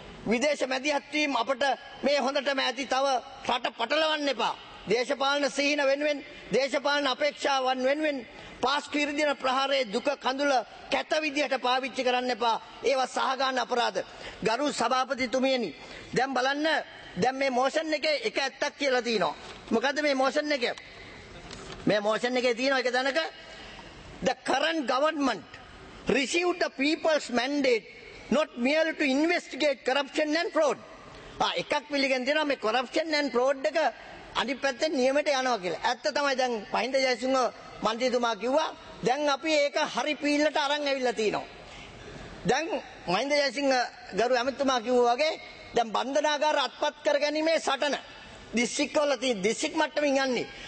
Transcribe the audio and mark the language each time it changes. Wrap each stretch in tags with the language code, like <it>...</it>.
<si>විදේශ මැදිහත්වීම අපට මේ හොඳටම ඇති තව රට පටලවන්න එපා. දේශපාලන සිහින වෙනුවෙන් දේශපාලන අපේක්ෂාවන් වෙනුවෙන් පාස් පිරදෙන ප්‍රහාරයේ දුක කඳුල කැත විදියට පාවිච්චි කරන්න එපා. ඒවා සහගාන අපරාධ. ගරු සභාපතිතුමියනි දැන් බලන්න දැන් මේ මෝෂන් එකේ එක ඇත්තක් කියලා තියෙනවා. මොකද මේ මෝෂන් එක මේ මෝෂන් එකේ තියෙනවා එක දැනක</si> <en>the current government received the people's mandate not merely to investigate corruption and fraud.</en> <si>එකක් පිළිගෙන දෙනවා මේ corruption and fraud එක අනිත් පැත්තේ නියමයට යනවා කියලා. ඇත්ත තමයි දැන් පහින්ද ජයසිංහ මන්ත්‍රීතුමා කිව්වා දැන් අපි ඒක හරි පීල්ලට අරන් ඇවිල්ලා තිනවා. දැන් මහින්ද ජයසිංහ ගරු ඇමතිතුමා කිව්වා වගේ දැන් බන්ධනාගාර අත්පත් කර ගැනීමේ සටන දිස්ත්‍රික්කවල තියෙන දිස්ත්‍රික් මට්ටමින් යන්නේ.</si>